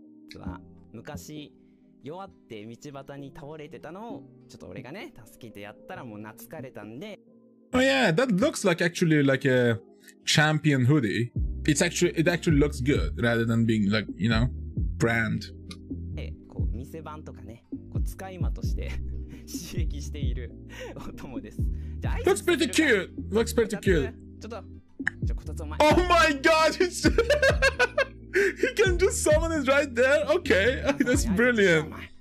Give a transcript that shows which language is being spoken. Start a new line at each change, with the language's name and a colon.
Japanese: 実は昔弱って道端に倒れてたのをちょっと俺がね助けてやったらもう懐かれたんで。
English: Oh yeah, that looks like actually like a champion hoodie. It actually looks good rather than being like, you know, brand.
Japanese: こう店番とかね、こう使い魔として刺激しているお供です。
English: Looks pretty cute. Looks pretty cute.
Japanese: ちょっと
English: Oh my god! It's He can just summon it right there? Okay, that's brilliant.